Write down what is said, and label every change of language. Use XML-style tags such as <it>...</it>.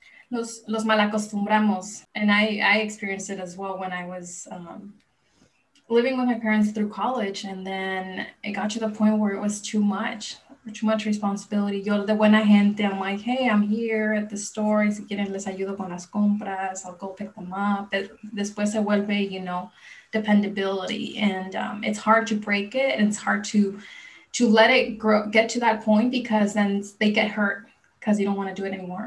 <es>los malacostumbramos.</es> <en>And I experienced it as well when I was living with my parents through college. And then it got to the point where it was too much responsibility.</en> <es>Yo de buena gente,</es> <en>I'm like, hey, I'm here at the store.</en> <es>Si quieren, les ayudo con las compras.</es> <en>I'll go pick them up. But</en> <es>después se vuelve,</es> <en>you know, dependability. And it's hard to break it. And it's hard to let it grow, get to that point, because then they get hurt because you don't want to do it anymore.</en>